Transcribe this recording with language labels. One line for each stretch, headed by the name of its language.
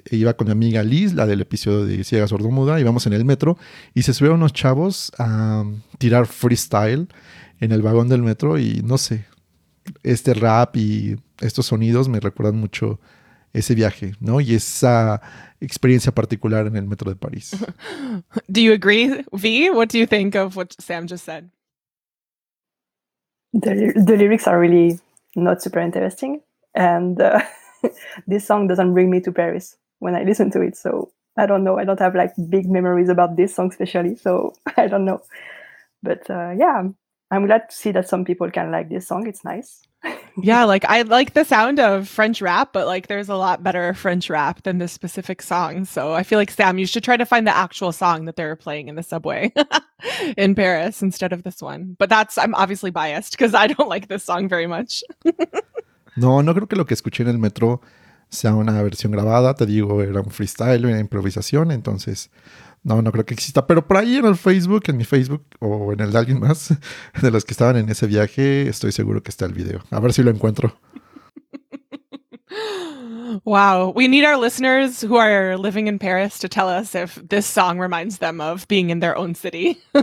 Spanish: Iba con mi amiga Liz, la del episodio de Ciega Sordomuda, íbamos en el metro y se subieron unos chavos a tirar freestyle en el vagón del metro y no sé, este rap y estos sonidos me recuerdan mucho ese viaje, ¿no? Y esa experiencia particular en el metro de París.
English: Do you agree, V? What do you think of what Sam just said? The lyrics are really not super interesting and this song doesn't bring me to Paris when I listen to it, so I don't know. I don't have like big memories about this song especially, so I don't know. But I'm glad to see that some people can like this song. It's nice. Yeah, like I like the sound of French rap, but like there's a lot better French rap than this specific song. So I feel like, Sam, you should try to find the actual song that they're playing in the subway in Paris instead of this one. But I'm obviously biased because I don't like this song very much.
Spanish: No creo que lo que escuché en el metro sea una versión grabada. Te digo, era un freestyle, una improvisación. Entonces, no creo que exista. Pero por ahí en el Facebook, en mi Facebook o en el de alguien más de los que estaban en ese viaje, estoy seguro que está el video. A ver si lo encuentro. Wow.
English: We need our listeners who are living in Paris to tell us if this song reminds them of being in their own city.